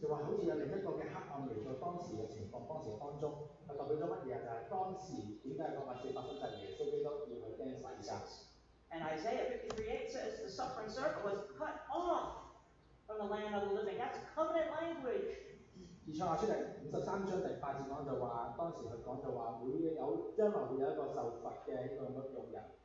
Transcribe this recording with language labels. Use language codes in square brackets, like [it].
[yue] 就話好似有另一個嘅黑暗嚟到當時嘅情況，當時嘅當中，佢代表咗乜嘢？就係當時點解個百姓發生陣嘢，所以都要去釘十字架。 [en] And Isaiah 53:8 says the suffering servant was cut off from the land of the living. That's covenant language. [yue] 而創世記53:8就話，當時佢講就話會有將來會有一個受罰嘅一個牧羊人。